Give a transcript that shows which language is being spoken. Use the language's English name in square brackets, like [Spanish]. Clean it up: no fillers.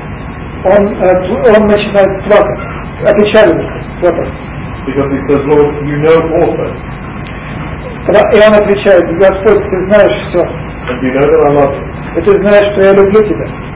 [Russian] Он начинает плакать, опечаливаться, Петр. [English] Because he says, Lord, you know all things. [Russian] И он отвечает, Господь, ты знаешь все. [English] And you know that I love you. [Russian] И ты знаешь, что я люблю тебя.